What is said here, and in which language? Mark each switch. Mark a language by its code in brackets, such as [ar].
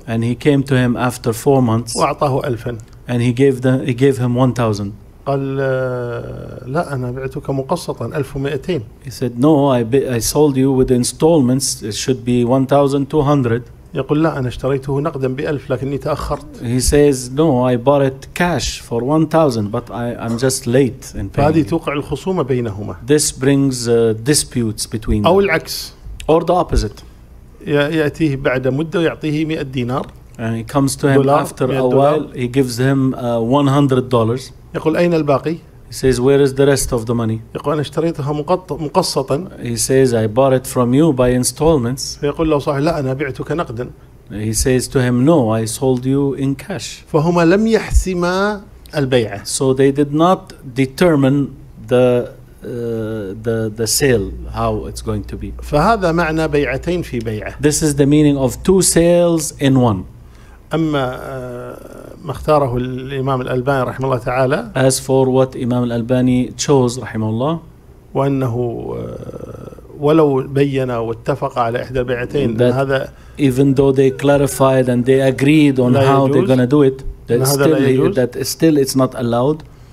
[en] and he came to him after four months [ar] وأعطاه ألفا [en] and he gave him 1,000 [ar] قال لا أنا بعتك مقسطا 1,200 [en] he said no I sold you with installments it should be 1,200 [ar] يقول لا أنا اشتريته نقدا بألف لكني تأخرت [en] he says no I bought it cash for 1,000 but I'm just late in paying [ar] هذه توقع الخصومة بينهما [en] this brings disputes between [ar] أو العكس [en] or the opposite [ar] يأتيه بعد مدة ويعطيه 100 دينار [en] And he comes to him after a while. He gives him $100. [ar] يقول أين الباقي؟ [en] He says, where is the rest of the money? [ar] يقول أنا اشتريتها مقسطا. [en] He says, I bought it from you by installments. [ar] يقول له صاحب لا أنا بعتك نقدا. [en] He says to him, no, I sold you in cash. [ar] فهما لم يحسما البيعة. [en] So they did not determine the sale, how it's going to be. [ar] فهذا معنى بيعتين في بيعة. [en] This is the meaning of two sales in one. [ar] أما ما اختاره الإمام الألباني رحمه الله تعالى. [en] As for what Imam Al-Albani chose, [ar] رحمه الله. وأنه ولو بينا واتفق على إحدى البيعتين. هذا. [en] Even though they clarified and they agreed on how they're gonna do it, that still it's not allowed.